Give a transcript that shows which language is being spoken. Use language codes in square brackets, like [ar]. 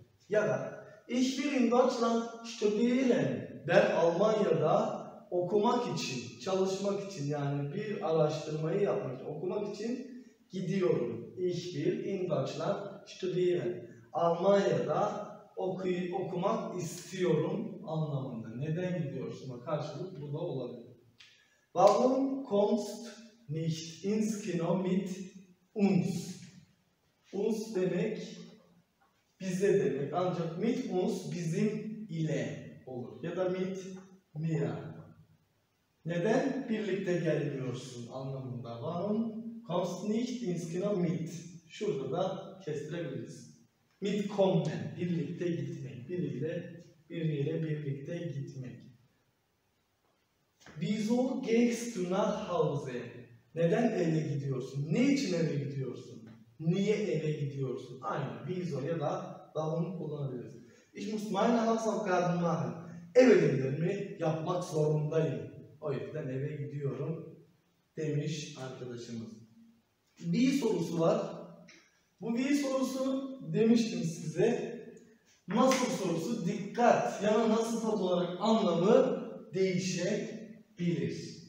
[tr] Ya da [de] ich will in Deutschland studieren. [tr] Ben Almanya'da okumak için, çalışmak için, yani bir araştırmayı yapmak için, okumak için gidiyorum. [de] Ich will in Deutschland studieren. [tr] Almanya'da okumak istiyorum anlamında. Neden gidiyorsun? Karşılık bu da olabilir. [de] Warum kommst nicht ins Kino mit uns? [tr] Uns demek bize demek. Ancak [de] mit uns [tr] bizim ile olur. Ya da [de] mit mir. [tr] Neden birlikte gelmiyorsun anlamında. [de] Warum kommst nicht ins Kino mit? [tr] Şurada da kestirebiliriz. [de] Mit kommen. [tr] Birlikte gitmek. Biriyle birlikte gitmek. [de] Wieso gehst du nach Hause? [tr] Neden eve gidiyorsun? Ne için eve gidiyorsun? Niye eve gidiyorsun? Aynı. Wieso ya da davranı kullanabiliriz. [de] Ich muss meine Hausaufgaben machen. [tr] Eve gidelim yapmak zorundayım. O yüzden eve gidiyorum demiş arkadaşımız. Wie sorusu var. Bu wie sorusu demiştim size. Nasıl sorusu dikkat. Yani nasıl sıfat olarak anlamı değişebilir.